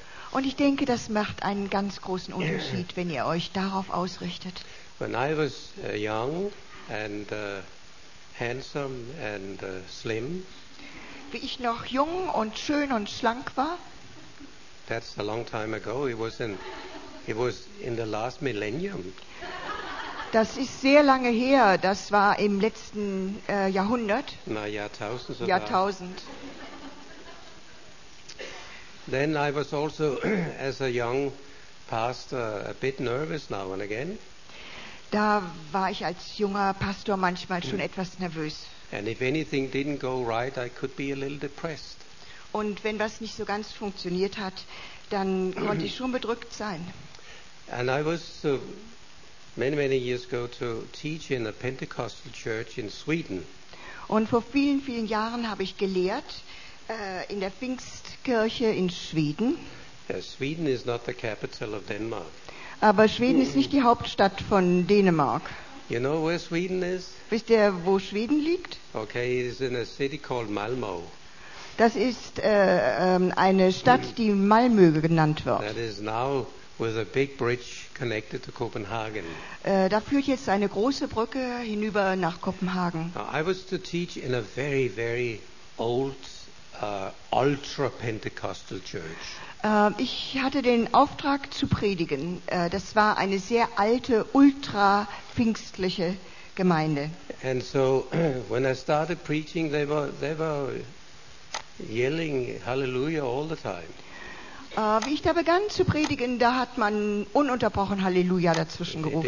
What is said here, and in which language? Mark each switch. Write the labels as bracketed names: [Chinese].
[German] Und ich denke, das macht einen ganz großen Unterschied, wenn ihr euch darauf ausrichtet. [English] When I was young and handsome and slim, [German] wie ich noch jung und schön und schlank war. [English] That's a long time ago. It was in the last millennium. [German] Das ist sehr lange her. Das war im letzten Jahrhundert. Na, Jahrtausend sogar. Jahrtausend. [English] Then I was also, as a young pastor, a bit nervous now and again. [German] Da war ich als junger Pastor manchmal schon etwas nervös. [English] And if anything didn't go right, I could be a little depressed. [German] Und wenn was nicht so ganz funktioniert hat, dann konnte ich schon bedrückt sein. [English] And I was many, many years ago to teach in a Pentecostal church in Sweden. [German] Und vor vielen, vielen Jahren habe ich gelehrt in der Pfingstkirche in Schweden. [English] Sweden is not the capital of Denmark. [German] Aber Schweden ist nicht die Hauptstadt von Dänemark. [English] You know where Sweden is? [German] Wisst ihr, wo Schweden liegt? [English] Okay, it's in a city called Malmö. [German] Das ist eine Stadt, die Malmö genannt wird. [English] That is now with a big bridge connected to Copenhagen. [German] Da führt jetzt eine große Brücke hinüber nach Kopenhagen. [English] I was to teach in a very, very old, ultra-Pentecostal church. [German] Ich hatte den Auftrag zu predigen. Das war eine sehr alte, ultra-pfingstliche Gemeinde. [English] And so, when I started preaching, they were yelling Hallelujah all the time. [German] Wie ich da begann zu predigen, da hat man ununterbrochen Halleluja dazwischen gerufen.